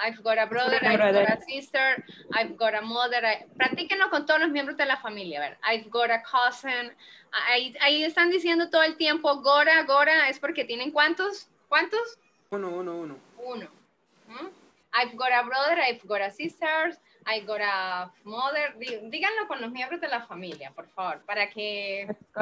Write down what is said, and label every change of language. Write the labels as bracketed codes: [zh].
[en] I've got a brother, I've got a sister, I've got a mother. [es] Practíquenlo con todos los miembros de la familia. A ver, [en] I've got a cousin. [es] Ahí están diciendo todo el tiempo, Gora, Gora, es porque tienen ¿cuántos? ¿Cuántos? Uno. ¿Mm? [en] I've got a brother, I've got a sister, I've got a mother. [es] Díganlo con los miembros de la familia, por favor, para que...